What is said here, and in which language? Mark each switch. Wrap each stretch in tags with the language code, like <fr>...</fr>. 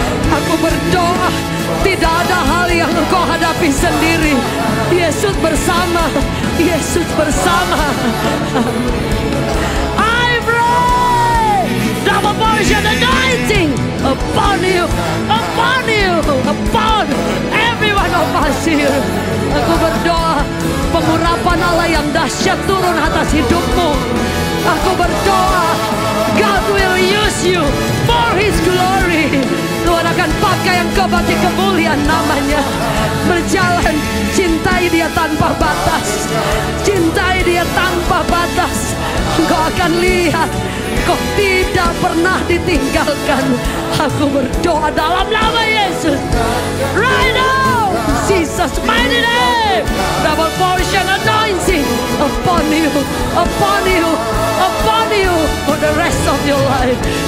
<id>Aku berdoa, tidak ada hal yang engkau hadapi sendiri. Yesus bersama, Yesus bersama.</id> <en>I pray, double portion anointing upon you, upon you, upon everyone of us here.</en> <id>Aku berdoa, pengurapan Allah yang dahsyat turun atas hidupmu. Aku berdoa,</id> <en>God will use you for His glory.</en> <id>Tuhan akan pakai engkau bagi kemuliaan namanya. Berjalan, cintai dia tanpa batas. Cintai dia tanpa batas. Engkau akan lihat, kau tidak pernah ditinggalkan. Aku berdoa dalam nama Yesus.</id> <en>Right now, Jesus mighty name. Double portion anointing upon you, upon you, upon you for the rest of your life.</en>